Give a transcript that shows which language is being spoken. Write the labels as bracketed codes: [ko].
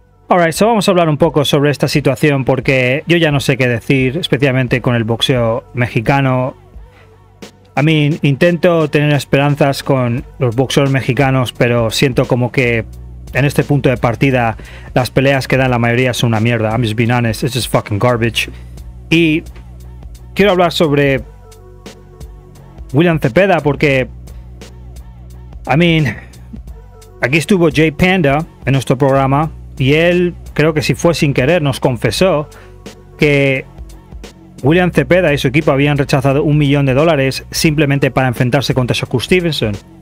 [es] Alright, so vamos a hablar un poco sobre esta situación porque yo ya no sé qué decir, especialmente con el boxeo mexicano. A mí intento tener esperanzas con los boxeadores mexicanos, pero siento como que en este punto de partida las peleas que dan la mayoría son una mierda. [en] I'm just being honest, it's just fucking garbage. [es] Y quiero hablar sobre William Cepeda porque, [en] I mean, [es] aquí estuvo Jay Panda en nuestro programa. Y él, creo que si fue sin querer, nos confesó que William Cepeda y su equipo habían rechazado $1,000,000 simplemente para enfrentarse contra Shakur Stevenson.